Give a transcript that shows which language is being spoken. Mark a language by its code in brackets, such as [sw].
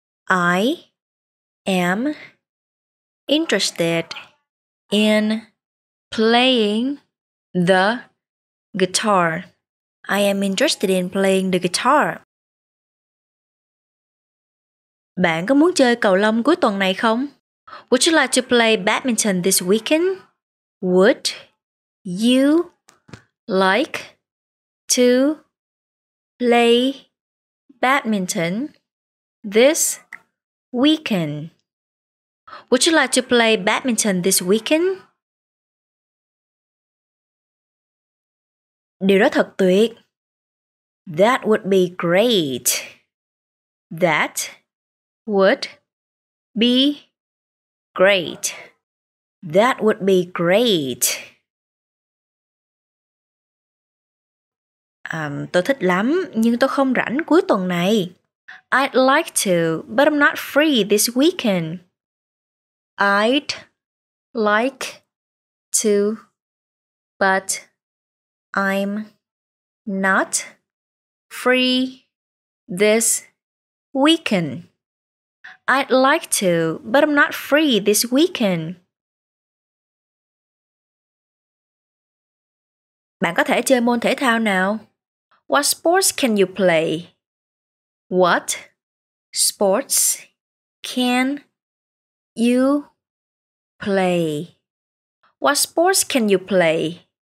[en] I am interested in playing the guitar. I am interested in playing the guitar. [vi] Bạn có muốn chơi cầu lông cuối tuần này không? [en] Would you like to play badminton this weekend? Would you like to play badminton this weekend? Would you like to play badminton this weekend? [vi] Điều đó thật tuyệt. [en] That would be great. That would be great. That would be great. [vi] Tôi thích lắm, nhưng tôi không rảnh cuối tuần này. [en] I'd like to, but I'm not free this weekend. I'd like to, but I'm not free this weekend. I'd like to, but I'm not free this weekend. [vi] Bạn có thể chơi môn thể thao nào? [en] What sports can you play? What sports can you play? What sports can you play?